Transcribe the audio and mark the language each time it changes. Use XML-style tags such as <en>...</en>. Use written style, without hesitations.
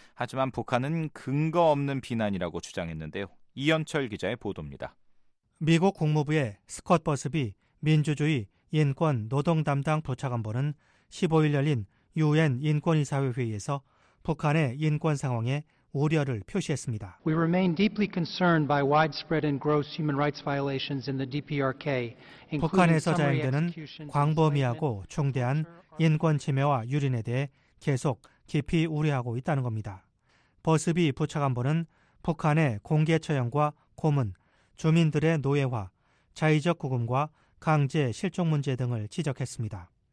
<ko>하지만 북한은 근거 없는 비난이라고 주장했는데요. 이현철 기자의 보도입니다. 미국 국무부의 스콧 버스비 민주주의 인권 노동 담당 부차관보는 15일 열린 유엔 인권이사회 회의에서 북한의 인권 상황에 우려를 표시했습니다.</ko> <en>We remain deeply concerned by widespread and gross human rights violations in the DPRK.</en> <ko>북한에서 자행되는 광범위하고 중대한 인권 침해와 유린에 대해 계속 깊이 우려하고 있다는 겁니다. 버스비 부차관보는 북한의 공개 처형과 고문, 주민들의 노예화, 자의적 구금과 강제 실종 문제 등을 지적했습니다.</ko>